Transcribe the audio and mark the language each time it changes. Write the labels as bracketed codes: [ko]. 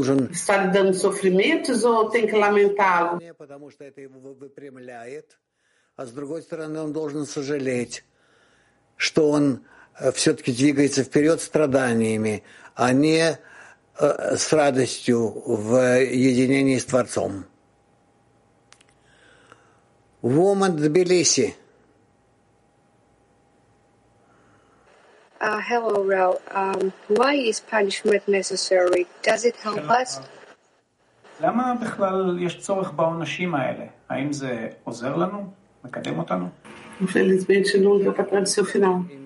[pt] Está lhe dando sofrimentos ou tem que lamentá-lo? [ru] Потому что это его выпрямляет, а с другой стороны он должен сожалеть, что он все-таки двигается вперед страданиями, а не с радостью в единении с Творцом. [en] Woman Tbilisi. Hello, Ro. Why is punishment necessary? Does it help us? [he] למה בכלל יש צורך בעונשים האלה? האם זה עוזר לנו? מקדם אותנו? [pt] Infelizmente, não deu para trás seu final.